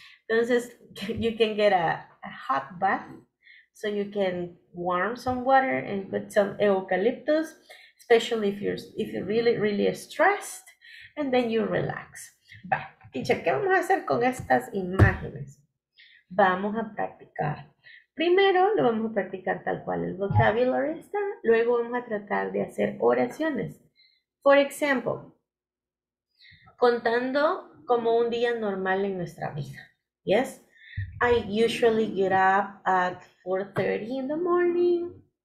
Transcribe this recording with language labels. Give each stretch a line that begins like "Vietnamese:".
English: Entonces, you can get a hot bath, so you can warm some water and put some eucalyptus, especially if you're really, really stressed, and then you relax.
Spanish: Va, teacher, ¿qué vamos a hacer con estas imágenes? Vamos a practicar. Primero, lo vamos a practicar tal cual el vocabulary está, luego vamos a tratar de hacer oraciones.
English: For example,
Spanish: contando como un día normal en nuestra vida.
English: Yes, I usually get up at 4:30 in the morning.